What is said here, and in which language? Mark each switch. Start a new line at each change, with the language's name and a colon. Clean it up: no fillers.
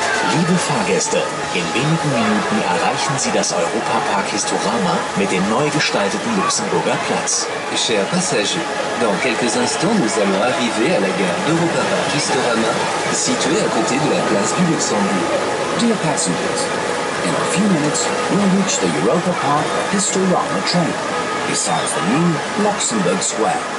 German: Liebe Fahrgäste, in wenigen Minuten erreichen Sie das Europapark Historama mit dem neu gestalteten Luxemburger Platz.
French: Chers passagers, dans quelques instants nous allons arriver à la gare d'Europapark Historama, située à côté de la place du Luxembourg.
English: Dear passengers, in a few minutes we'll reach the Europa Park Historama train, besides the new Luxembourg Square.